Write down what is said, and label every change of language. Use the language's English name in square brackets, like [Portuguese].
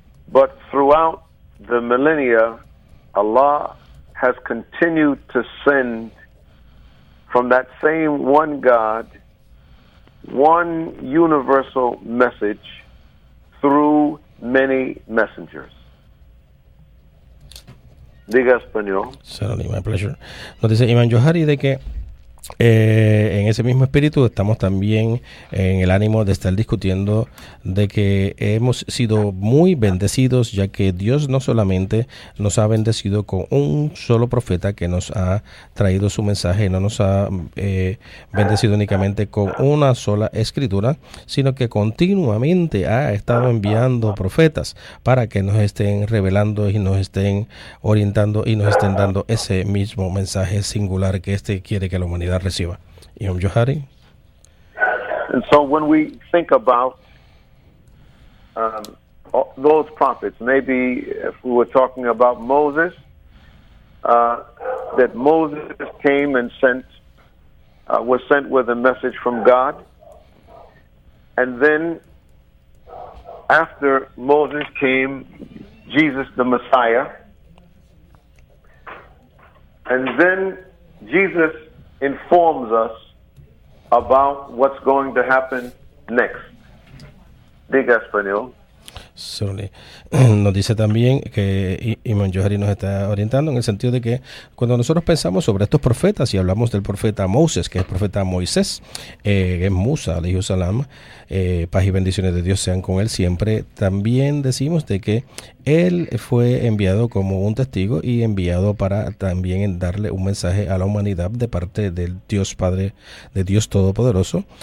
[English] but throughout the millennia, Allah has continued to send from that same one God one universal message through many messengers. [Spanish] Diga español. [English] Certainly, my pleasure. [Spanish] Nos dice Imam Johari de que en ese mismo espíritu estamos también en el ánimo de estar discutiendo de que hemos sido muy bendecidos, ya que Dios no solamente nos ha bendecido con un solo profeta que nos ha traído su mensaje, no nos ha bendecido únicamente con una sola escritura, sino que continuamente ha estado enviando profetas para que nos estén revelando y nos estén orientando y nos estén dando ese mismo mensaje singular que este quiere que la humanidad reciba. [English] Imam Johari. And so when we think about those prophets, maybe if we were talking about Moses, that Moses came and was sent with a message from God. And then after Moses came Jesus the Messiah. And then Jesus informs us about what's going to happen next. [Spanish] Diga español. [English] Certainly. [Spanish] Nos dice también que Imam Johari nos está orientando en el sentido de que cuando nosotros pensamos sobre estos profetas y hablamos del profeta Moses, que es el profeta Moisés, es Musa, [Arabic] alayhi salam, [Spanish] paz y bendiciones de Dios sean con él siempre, también decimos de que él fue enviado como un testigo y enviado para también darle un mensaje a la humanidad de parte del Dios Padre, de Dios Todopoderoso.